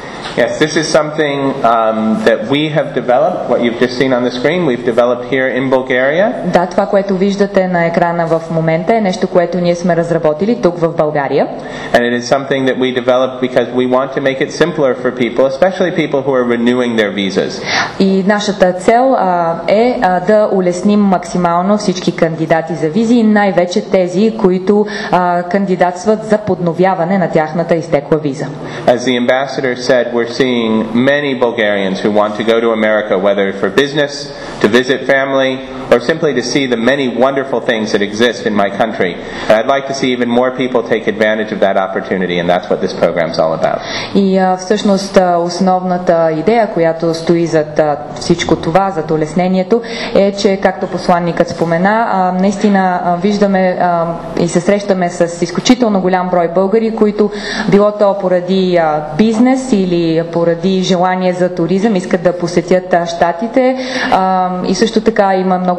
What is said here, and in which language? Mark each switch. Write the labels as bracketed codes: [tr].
[en] Yes, this is something that we have developed, what you've just seen on the screen, we've developed here in Bulgaria. [bg] Да, това, което виждате на екрана в момента, е нещо, което ние сме разработили тук в България. [en] And it is something that we developed because we want to make it simpler for people, especially people who are renewing their visas. [bg] И нашата цел е да улесним максимално всички кандидати за визи, най-вече тези, които кандидатстват за подновяване на тяхната изтекла виза. [en] As the ambassador said, we're seeing many Bulgarians who want to go to America, whether for business, to visit family, or simply to see the many wonderful things that exist in my country. And I'd like to see even more people take advantage of that opportunity, and that's what this program's all about. [bg] И всъщност основната идея, която стои зад всичко това, зад улеснението, е, че, както посланникът спомена, наистина виждаме и се срещаме с изключително голям брой българи, които било то поради бизнес или поради желание за туризъм, искат да посетят щатите. И също така има много